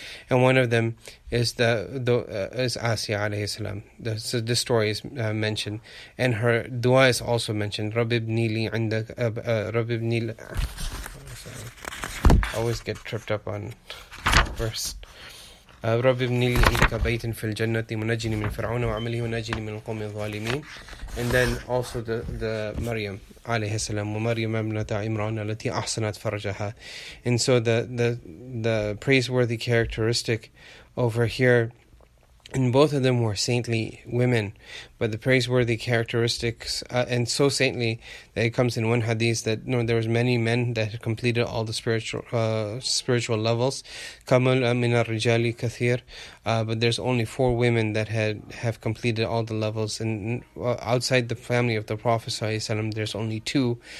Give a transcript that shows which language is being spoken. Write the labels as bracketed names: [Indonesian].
[English] And one of them is is Asiya alayhi salam. This story is mentioned, and her dua is also mentioned. [Arabic] Rabbi ibni li, [English] I always get tripped up on verse. [Arabic] رب ابني لي عندك بيت في الجنة منجني من فرعون وعمله ونجني من القوم الظالمين. [English] And then also the Maryam [Arabic] عليه السلام ومريم ابنة عمران التي أحسنت فرجها. [English] And so the praiseworthy characteristic over here, and both of them were saintly women, but the praiseworthy characteristics, and so saintly that it comes in one hadith that, you know, there was many men that had completed all the spiritual levels, [Arabic] kamal min ar-rijali kathir, [English] but there's only four women that have completed all the levels, and outside the family of the Prophet sallallahu alaihi wasallam, there's only two.